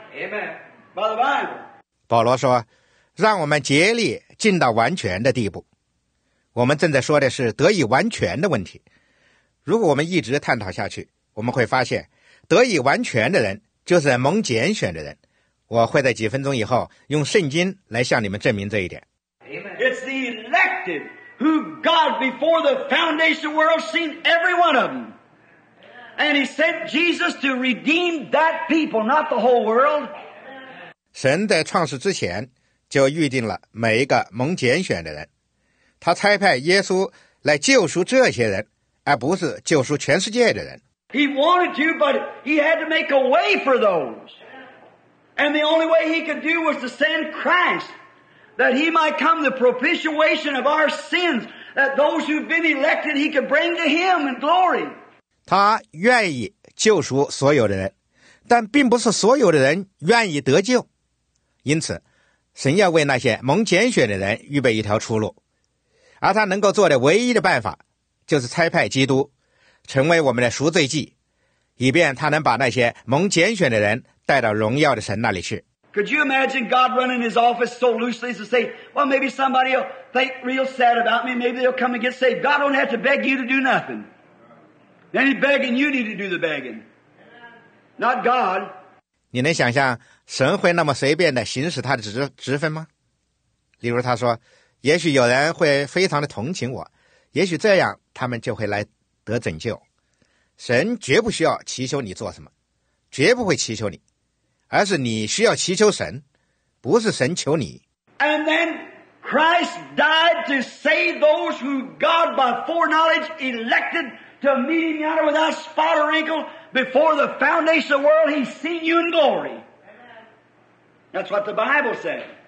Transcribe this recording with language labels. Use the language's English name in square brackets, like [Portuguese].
[English] Amen. By the Bible. [Chinese] 保罗说让我们竭力进到完全的地步，我们正在说的是得以完全的问题。如果我们一直探讨下去，我们会发现得以完全的人就是蒙拣选的人。我会在几分钟以后用圣经来向你们证明这一点。 [English] It's the elected who God before the foundation world seen every one of them. And he sent Jesus to redeem that people, not the whole world. [Chinese] 神在创世之前就预定了每一个蒙拣选的人，他差派耶稣来救赎这些人，而不是救赎全世界的人。 [English] He wanted to, but he had to make a way for those. And the only way he could do was to send Christ, that he might come the propitiation of our sins, that those who've been elected he could bring to him in glory. [Chinese] 他愿意救赎所有的人，但并不是所有的人愿意得救。因此，神要为那些蒙拣选的人预备一条出路。而他能够做的唯一的办法就是差派基督成为我们的赎罪祭，以便他能把那些蒙拣选的人带到荣耀的神那里去。 [English] Could you imagine God running his office so loosely as to say, well, maybe somebody will think real sad about me, maybe they'll come and get saved. God don't have to beg you to do nothing. Any begging, you need to do the begging. Not God. [Chinese] 你能想象神会那么随便地行使他的职分吗？例如他说也许有人会非常的同情我，也许这样他们就会来得拯救。神绝不需要祈求你做什么，绝不会祈求你，而是你需要祈求神，不是神求你。 [English] And then Christ died to save those who God by foreknowledge elected to meet him yonder without spot or wrinkle before the foundation of the world he's seen you in glory. That's what the Bible said.